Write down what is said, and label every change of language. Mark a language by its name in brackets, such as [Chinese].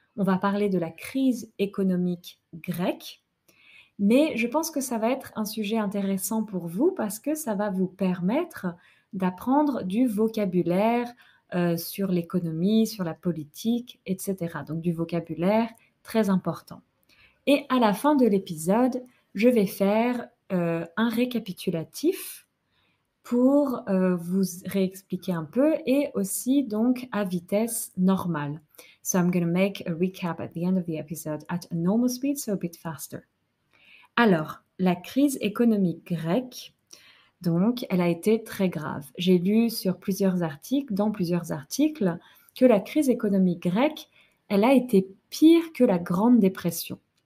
[French] On va parler de la crise économique grecque, mais je pense que ça va être un sujet intéressant pour vous parce que ça va vous permettre d'apprendre du vocabulaire sur l'économie, sur la politique, etc. Donc du vocabulaire très important. Et à la fin de l'épisode, je vais faire un récapitulatif pour vous réexpliquer un peu et aussi donc à vitesse normale. [English] So I'm going to make a recap at the end of the episode at a normal speed, so a bit faster. [French] Alors, la crise économique grecque, donc, elle a été très grave. J'ai lu sur plusieurs articles, dans plusieurs articles, que la crise économique grecque, elle a été pire que la Grande Dépression.